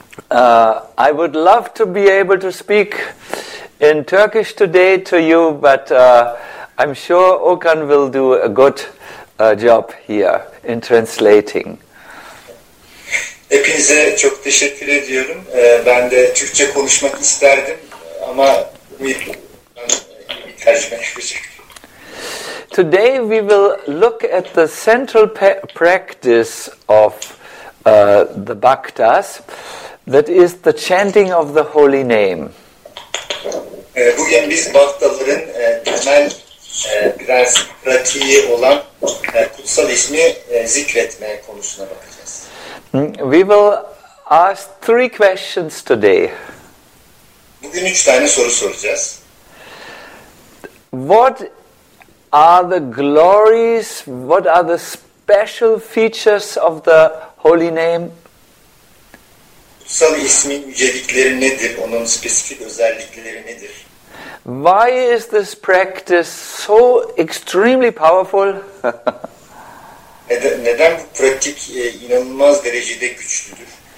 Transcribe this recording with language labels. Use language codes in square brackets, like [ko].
[en] I would love to be able to speak in Turkish today to you, but I'm sure Okan will do a good job here in translating. [tr] Hepinize çok teşekkür ediyorum. Ben de Türkçe konuşmak isterdim ama bir tercüme yapacak. [en] Today we will look at the central practice of the Bhaktas, that is the chanting of the holy name. [tr] Bugün biz Bhaktaların temel biraz pratiği olan kutsal ismi zikretme konusuna bakacağız. [en] We will ask three questions today. [tr] Bugün üç tane soru soracağız. [en] What are the glories, what are the special features of the holy name? [tr] Kutsal ismin yücelikleri nedir, onun spesifik özellikleri nedir? [en] Why is this practice so extremely powerful? [tr] Neden bu pratik inanılmaz derecede güçlüdür?